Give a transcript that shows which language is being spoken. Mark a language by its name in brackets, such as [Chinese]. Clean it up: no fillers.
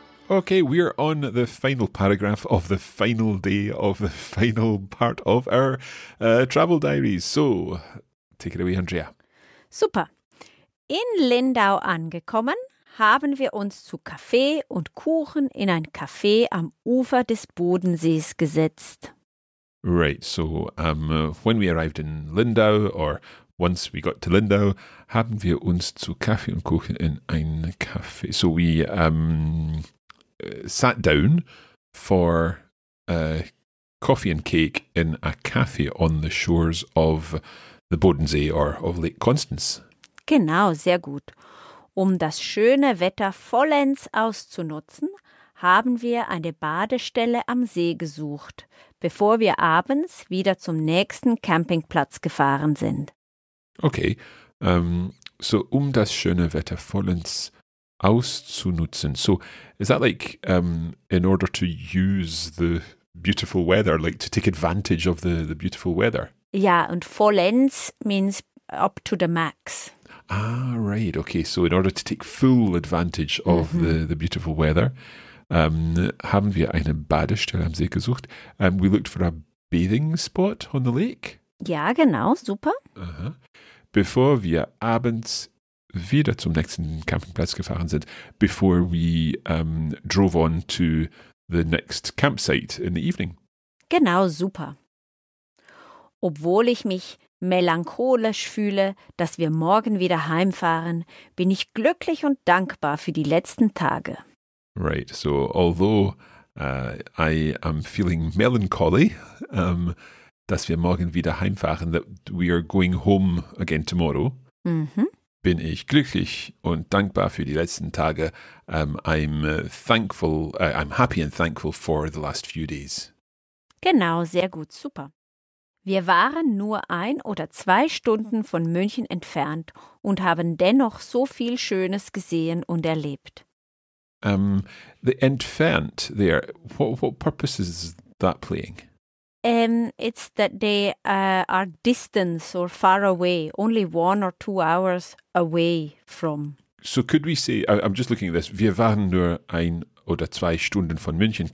[English] Okay, we're on the final paragraph of the final day of the final part of our travel diaries. So, take it away, Andrea. Super. [German] In Lindau angekommen, haben wir uns zu Kaffee und Kuchen in ein Café am Ufer des Bodensees gesetzt. [English] Right, so when we arrived in Lindau, or once we got to Lindau, [German] haben wir uns zu Kaffee und Kuchen in ein Café. [English] So we sat down for coffee and cake in a cafe on the shores of the Bodensee or of Lake Constance. [German] Genau, sehr gut. Um das schöne Wetter vollends auszunutzen, haben wir eine Badestelle am See gesucht, bevor wir abends wieder zum nächsten Campingplatz gefahren sind. Okay, so um das schöne Wetter vollends auszunutzen. [English] So, is that like in order to use the beautiful weather, like to take advantage of the beautiful weather? Yeah, and vollends means up to the max. Ah, right. Okay, so in order to take full advantage of the beautiful weather, [German] haben wir eine Badestelle am See gesucht. [English] We looked for a bathing spot on the lake. [German] Ja, genau. Super. Bevor wir abends wieder zum nächsten Campingplatz gefahren sind, [English] before we drove on to the next campsite in the evening. [German] Genau, super. Obwohl ich mich melancholisch fühle, dass wir morgen wieder heimfahren, bin ich glücklich und dankbar für die letzten Tage. [English] Right, so although I am feeling melancholy, [German] dass wir morgen wieder heimfahren, [English] that we are going home again tomorrow. [German] Bin ich glücklich und dankbar für die letzten Tage. [English] I'm happy and thankful for the last few days. [German] Genau, sehr gut, super. Wir waren nur ein oder zwei Stunden von München entfernt und haben dennoch so viel Schönes gesehen und erlebt. [English] The entfernt there, what purpose is that playing? It's that they are distance or far away, only 1 or 2 hours away from. So could we say, I'm just looking at this, [German] wir waren nur ein oder zwei Stunden von München.